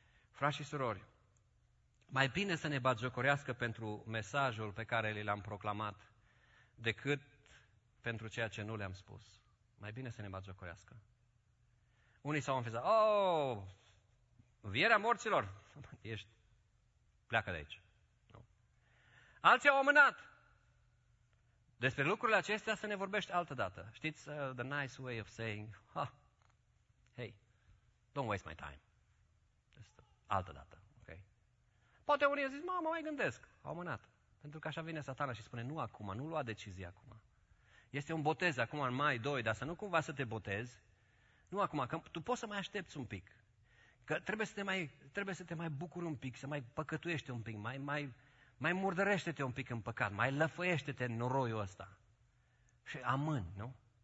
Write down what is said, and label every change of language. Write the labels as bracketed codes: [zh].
[ro] Frați și surori, mai bine să ne batjocorească pentru mesajul pe care l-am proclamat decât pentru ceea ce nu le-am spus. Mai bine să ne batjocorească. Unii s-au înfezat. Oh, învierea morților. Ești, pleacă de aici. Nu. Alții au amânat. Despre lucrurile acestea să ne vorbești altă dată. Știți, [en] the nice way of saying, hey, don't waste my time. [ro] Altă dată, ok? Poate unii au zis, mă mai gândesc. Au amânat. Pentru că așa vine Satana și spune, nu acum, nu lua decizia acum. Este un botez acum în mai 2, dar să nu cumva să te botezi. Nu acum, că tu poți să mai aștepți un pic. că trebuie să te mai bucuri un pic, să mai păcătuiești un pic, mai murdărește-te un pic în păcat, mai lăfăiește-te în noroiul ăsta. Și amân, nu?